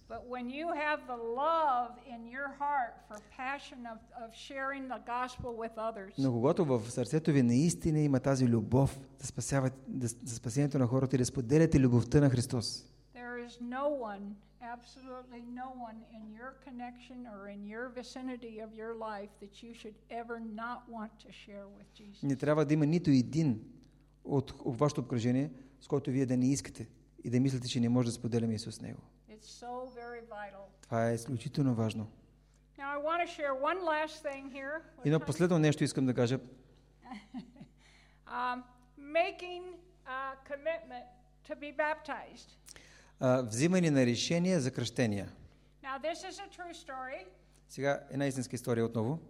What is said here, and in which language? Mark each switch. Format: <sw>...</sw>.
<en>But when you have the love in your heart for passion of sharing the gospel with others.</en> <bg>Но когато в сърцето ви наистина има тази любов да спасявате за спасението на хората и да споделяте любовта на Христос.</bg> <en>There is no one, absolutely no one in your connection or in your vicinity of your life that you should ever not want to share with Jesus.</en> <bg>Не трябва да има нито един от вашето обкръжение, с който вие да не искате и да мислите, че не може да споделяме Исус с него.</bg> <en>So very vital.</en> <bg>Това е изключително важно.</bg> <en>Now I want to share one last thing here.</en> <bg>И на последно нещо искам да кажа.</bg> <en>Making a commitment to be baptized.</en> <bg>Взимане на решение за кръщение.</bg> <en>Now this is a true story.</en> <bg>Сега една истинска история отново.</bg>